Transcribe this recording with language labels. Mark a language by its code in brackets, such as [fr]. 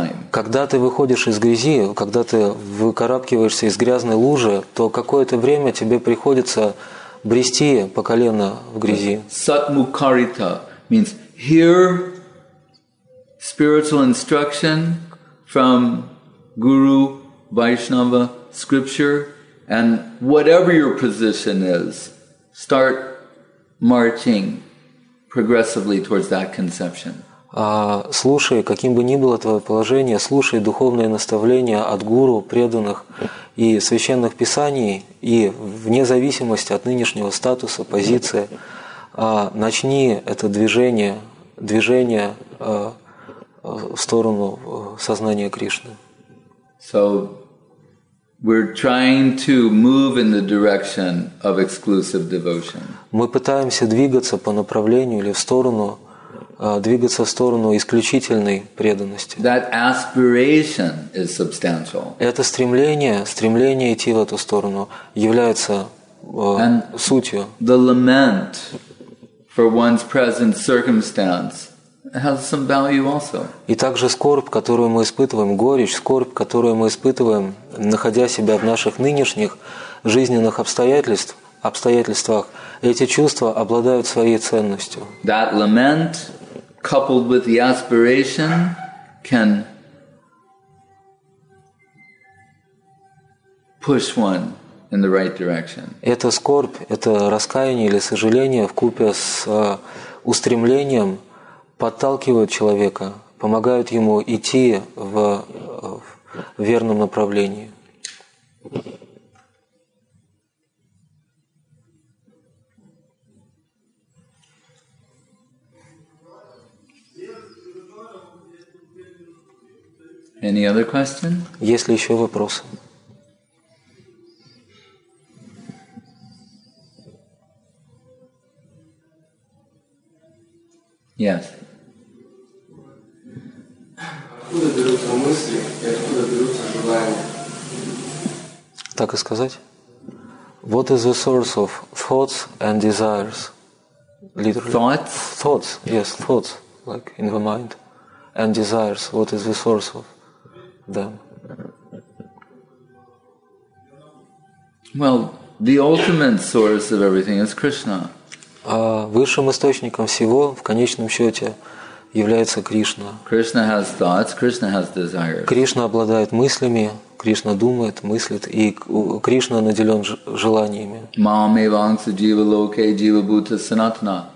[ru] Когда ты выходишь из грязи, когда ты выкарабкиваешься из грязной лужи, то какое-то время тебе приходится брести по колено в грязи. [en] Satmukharita means hear spiritual instruction from Guru, Vaishnava, scripture, and whatever your position is, start marching progressively towards that conception. [ru] Слушай, каким бы ни было твое положение, слушай духовные наставления от гуру, преданных и священных писаний, и вне зависимости от нынешнего статуса, позиции, начни это движение в сторону сознания Кришны. [en] So We're trying to move in the direction of exclusive devotion. [ru] Мы пытаемся двигаться по направлению или в сторону двигаться в сторону исключительной преданности. [en] That aspiration is substantial. [ru] Это стремление идти в эту сторону является сутью. [en] The lament for one's present circumstance has some value also. [ru] И также скорбь, которую мы испытываем, горечь, скорбь, которую мы испытываем, находя себя в наших нынешних жизненных обстоятельствах, эти чувства обладают своей ценностью. [en] That lament coupled with the aspiration can push one in the right direction. [ru] Эта скорбь, это раскаяние или сожаление вкупе с устремлением подталкивают человека, помогают ему идти в верном направлении. [en] Any other question? [ru] Есть ли еще вопросы? [en] Yes. [ru] Откуда берутся мысли и откуда берутся желания? Так и сказать? [en] What is the source of thoughts and desires? Literally. Thoughts? Thoughts, yes, thoughts, like in the mind. And desires, what is the source of them? Well, the ultimate source of everything is Krishna. [ru] Высшим источником всего, в конечном счете, является Кришна. [en] Krishna has thoughts, Krishna has desires. [ru] Кришна обладает мыслями, Кришна думает, мыслит, и Кришна наделен желаниями. [sa] Maam eva ansa jiva loke jiva bhuta sanatana.